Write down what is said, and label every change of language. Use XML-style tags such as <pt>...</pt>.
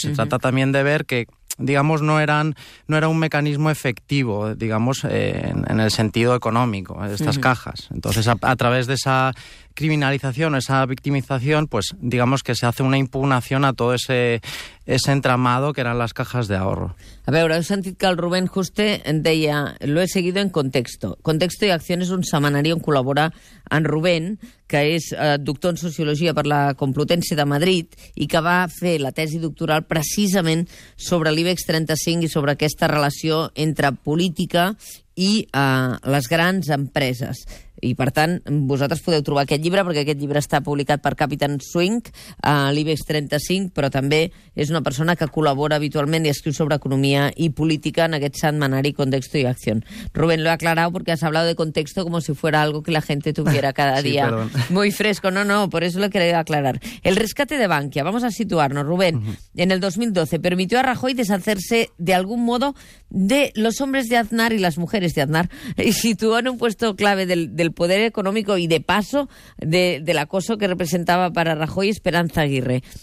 <es>Se trata también de ver que, digamos, no era un mecanismo efectivo, digamos, en el sentido económico, estas cajas. Entonces, a través de esa criminalización, esa victimización, pues digamos que se hace una impugnación a todo ese entramado que eran las cajas de ahorro.</es> <ca>A veure, heu sentit que el Rubén Juste deia,</ca> <es>lo he seguido en Contexto.</es> <ca>Contexto y Acción es un semanari on col·labora en Rubén, que és doctor en Sociologia per la Complutense de Madrid i que va fer la tesi doctoral precisament sobre l'IBEX 35 i sobre aquesta relació entre política i les grans empreses. I, per tant, vosaltres podeu trobar aquest llibre, perquè aquest llibre està publicat per Capitan Swing, a l'IBEX 35, però també és una persona que col·labora habitualment i escriu sobre economia i política en aquest setmanari Contexto y Acción.</ca> <es>Rubén, lo he aclarado porque has hablado de Contexto como si fuera algo que la gente tuviera cada día. Sí, perdón. Muy fresco. No, por eso lo he querido aclarar. El rescate de Bankia. Vamos a situarnos, Rubén. Uh-huh. En el 2012 permitió a Rajoy deshacerse de algún modo de los hombres de Aznar y las mujeres de Aznar y situó en un puesto clave del poder económico y de paso del acoso que representaba para Rajoy Esperanza Aguirre.</es>